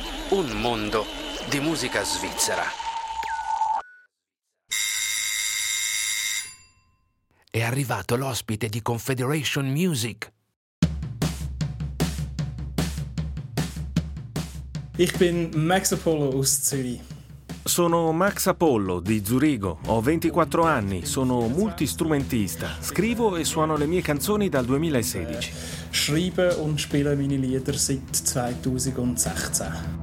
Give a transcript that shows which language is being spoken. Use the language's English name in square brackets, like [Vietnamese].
[Italian] Un mondo di musica svizzera. È arrivato l'ospite di Confederation Music. [German] Ich bin Max Apollo aus Zürich. [Italian] Sono Max Apollo di Zurigo, ho 24 anni, sono multistrumentista, scrivo e suono le mie canzoni dal 2016. [German] Schreibe und spiele meine Lieder seit 2016.